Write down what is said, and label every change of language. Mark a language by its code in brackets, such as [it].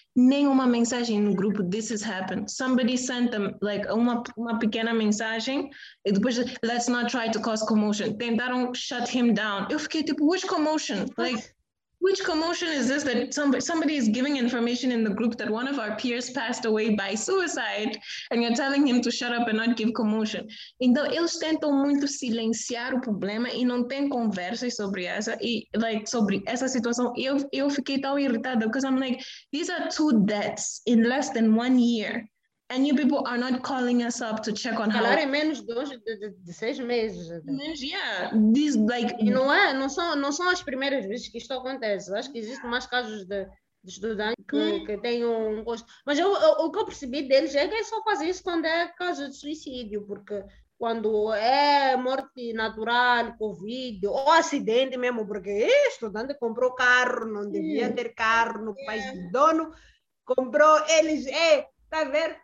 [pt] Nenhuma mensagem no grupo, [en] this has happened. Somebody sent them, like, [pt] uma pequena mensagem, e depois, [en] let's not try to cause commotion. [pt] Tentaram [en] shut him down. [pt] Eu fiquei tipo, [en] which commotion? Like, which commotion is this that somebody is giving information in the group that one of our peers passed away by suicide and you're telling him to shut up and not give commotion? [pt] Então, eles tentam muito silenciar o problema e não tem conversa sobre essa, e, like, sobre essa situação. Eu fiquei tão irritada [en] because I'm like, these are two deaths in less than 1 year and you people are not calling us up to check on [pt] how... Falaram em menos de 6 meses. [en] Menos, yeah. This, like... [pt] E não é, não são as primeiras vezes que isto acontece. Acho que existem mais casos de estudantes que têm um gosto. Mas o que eu percebi deles é que é só fazer isso quando é caso de suicídio, porque quando é morte natural, Covid, ou acidente mesmo, porque estudante comprou carro, não devia ter carro no país do dono, comprou, eles... Está a ver?